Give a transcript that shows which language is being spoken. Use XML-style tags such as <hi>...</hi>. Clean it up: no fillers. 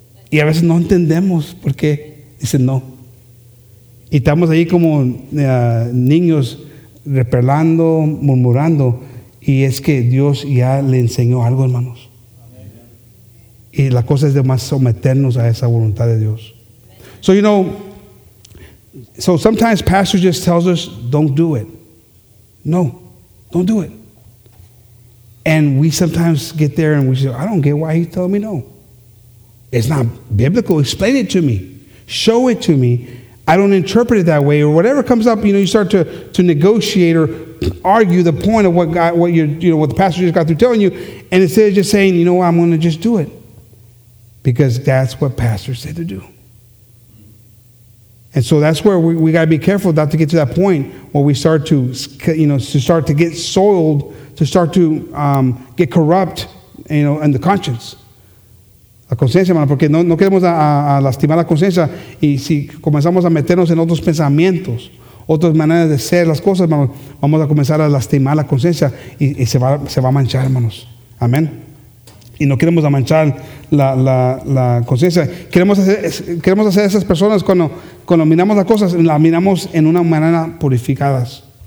<es>Y a veces no entendemos por qué dice no. Y estamos ahí como niños repelando, murmurando, Y es que Dios ya le enseñó algo, hermanos. Y la cosa es de más someternos a esa voluntad de Dios.</es> <en>So, you know, so sometimes pastor just tells us, don't do it. No, don't do it. And we sometimes get there and we say, I don't get why he's telling me no. It's not biblical. Explain it to me. Show it to me. I don't interpret it that way. Or whatever comes up, you know, you start to negotiate or argue the point of what God, what you're, you know, what the pastor just got through telling you. And instead of just saying, you know what, I'm going to just do it. Because that's what pastor said to do. And so that's where we got to be careful not to get to that point where we start to, you know, to start to get soiled, to start to get corrupt, you know, in the conscience.</en> <es>La conciencia, hermano, porque no queremos a lastimar la conciencia. Y si comenzamos a meternos en otros pensamientos, otras maneras de ser las cosas, hermano, vamos a comenzar a lastimar la conciencia y se va a manchar, hermanos. Amén. Y no queremos manchar la conciencia. Queremos hacer esas personas cuando miramos las cosas, las miramos en una manera purificadas.</es>